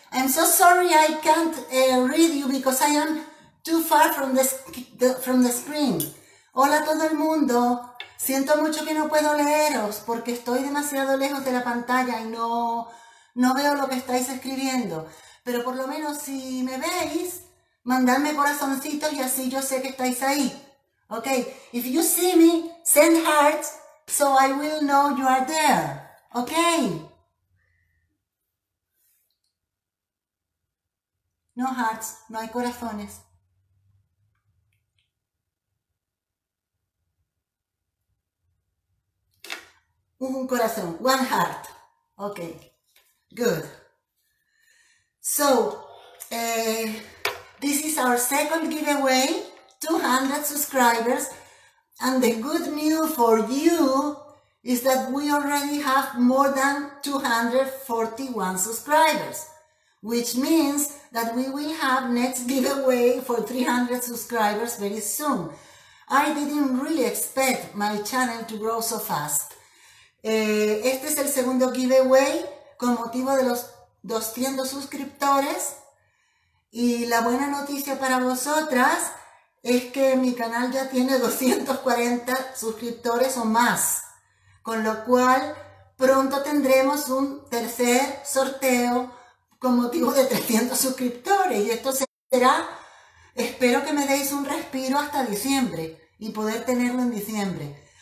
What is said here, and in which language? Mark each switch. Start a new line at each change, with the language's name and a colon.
English: I'm so sorry I can't read you because I am too far from the screen.
Spanish: Hola a todo el mundo. Siento mucho que no puedo leeros porque estoy demasiado lejos de la pantalla y no veo lo que estáis escribiendo. Pero por lo menos si me veis, mandadme corazoncitos y así yo sé que estáis ahí. Okay.
English: If you see me, send hearts so I will know you are there. Okay. No hearts,
Spanish: no hay corazones. Un corazón,
English: one heart. Okay, good. So, this is our second giveaway, 200 subscribers. And the good news for you is that we already have more than 241 subscribers, which means that we will have next giveaway for 300 subscribers very soon. I didn't really expect my channel to grow so fast.
Spanish: Este es el segundo giveaway con motivo de los 200 suscriptores. Y la buena noticia para vosotras es que mi canal ya tiene 240 suscriptores o más. Con lo cual, pronto tendremos un tercer sorteo con motivo de 300 suscriptores, y esto será, espero que me deis un respiro hasta diciembre y poder tenerlo en diciembre.